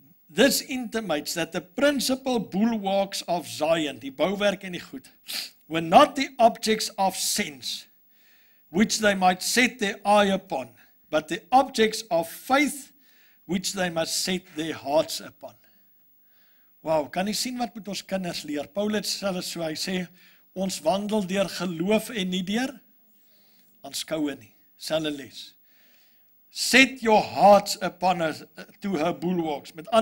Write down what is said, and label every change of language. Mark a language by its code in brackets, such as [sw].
[en] This intimates that the principal bulwarks of Zion, [af] die bouwwerk en die goed, [en] were not the objects of sense, which they might set their eye upon, but the objects of faith, which they must set their hearts upon. [af] Wow, kan jy sien wat moet ons kinders leer? Paulus sê, so hy sê, ons wandel deur geloof en nie deur aanskoue nie, selfe les. [en] Set your hearts upon her, to her bulwarks.